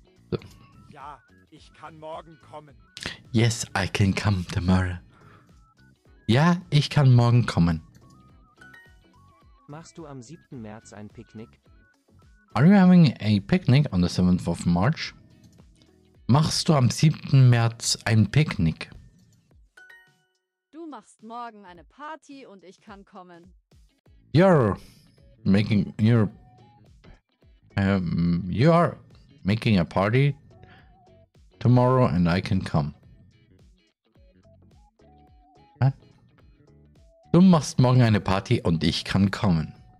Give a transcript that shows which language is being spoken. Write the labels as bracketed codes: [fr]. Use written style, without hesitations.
[de] So. Ja, ich kann morgen kommen. [en] Yes, I can come tomorrow. [de] Ja, ich kann morgen kommen. Machst du am 7. März ein Picknick? [en] Are you having a picnic on the 7th of March? [de] Machst du am 7. März ein Picknick? Du machst morgen eine Party und ich kann kommen. [en] You are making a party tomorrow and I can come. [de] Du machst morgen eine Party und ich kann kommen.